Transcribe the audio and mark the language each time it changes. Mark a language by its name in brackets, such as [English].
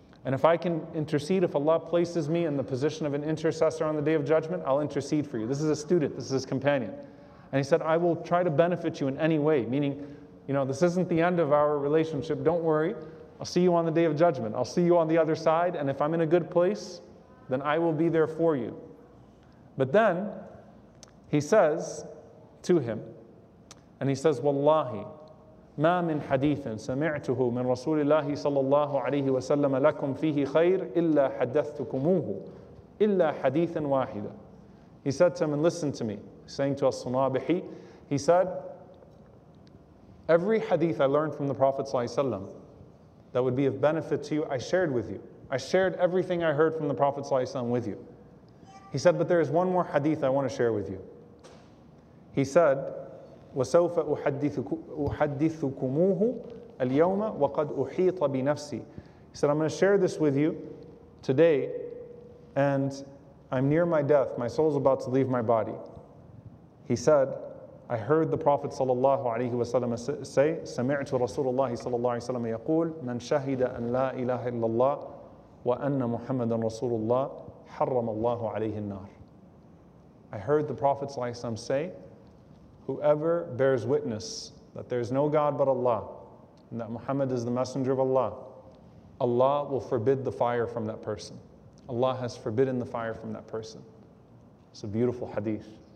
[English] And if I can intercede, if Allah places me in the position of an intercessor on the Day of Judgment, I'll intercede for you. This is a student, this is his companion. And he said, I will try to benefit you in any way, meaning, you know, this isn't the end of our relationship, don't worry, I'll see you on the Day of Judgment, I'll see you on the other side, and if I'm in a good place, then I will be there for you. But then, he says to him, and he says, Wallahi, [Arabic] ما من حديث سمعته من رسول الله صلى الله عليه وسلم لكم فيه خير إلا حدثتكموه إلا حديثا واحدا. [English] He said to him, and listen to me, saying to As-Sunabihi, he said, every hadith I learned from the Prophet وسلم that would be of benefit to you, I shared with you. I shared everything I heard from the Prophet وسلم with you. He said, but there is one more hadith I want to share with you. He said, [Arabic] وسوف أحدثكموه اليوم وقد أحيط بنفسي. [English] He said, I'm going to share this with you today and I'm near my death. My soul is about to leave my body. He said, I heard the Prophet [Arabic] صلى الله عليه وسلم [English] say, [Arabic] سمعت رسول الله صلى الله عليه وسلم يقول من شهد أن لا إله إلا الله وأن محمد رسول الله حرم الله عليه النار. [English] I heard the Prophet صلى الله عليه وسلم say, whoever bears witness that there is no God but Allah and that Muhammad is the messenger of Allah, Allah will forbid the fire from that person. Allah has forbidden the fire from that person. It's a beautiful hadith.